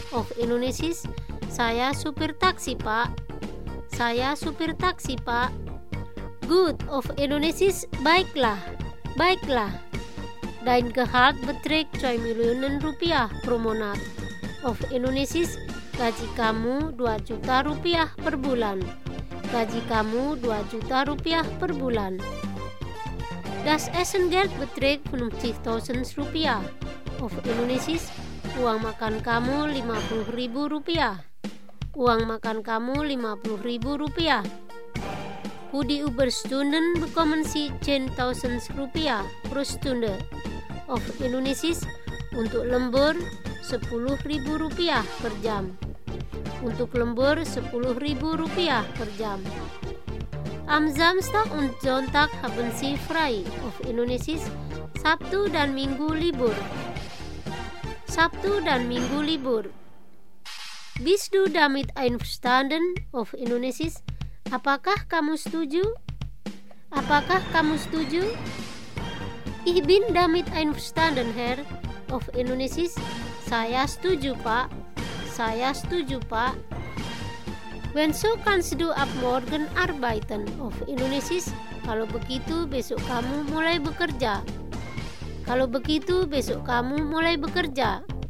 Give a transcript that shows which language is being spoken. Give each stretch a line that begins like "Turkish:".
German: Auf Indonesisch.
Indonesian: Saya supir taksi, Pak. Saya supir taksi, Pak.
German: Gut, auf Indonesisch.
Indonesian: Baiklah. Baiklah.
German: Dein Gehalt beträgt 2 Millionen Rupiah pro Monat. Auf Indonesisch.
Indonesian: Gaji kamu 2 juta rupiah per bulan. Gaji kamu 2 juta rupiah per bulan.
German: Das Essengeld beträgt 50.000 rupiah. Auf Indonesisch.
Indonesian: Uang makan kamu 50.000 rupiah. Uang makan kamu 50.000 rupiah.
German: Kudi Überstunden bekommen Sie 10.000 rupiah pro Stunde. Auf Indonesisch.
Indonesian: Untuk lembur 10.000 rupiah per jam. Untuk lembur 10.000 rupiah per jam.
German: Am Samstag und Sonntag haben Sie frei. Auf Indonesisch.
Indonesian: Sabtu dan Minggu libur. Sabtu dan Minggu libur.
German: Bist du damit einverstanden? Auf Indonesisch.
Indonesian: Apakah kamu setuju? Apakah kamu setuju?
German: Ich bin damit einverstanden, Herr. Auf Indonesisch.
Indonesian: Saya setuju, Pak. Saya setuju, Pak.
German: Wenn so kannst du ab morgen arbeiten? Auf Indonesisch.
Indonesian: Kalau begitu, besok kamu mulai bekerja. Kalau begitu, besok kamu mulai bekerja.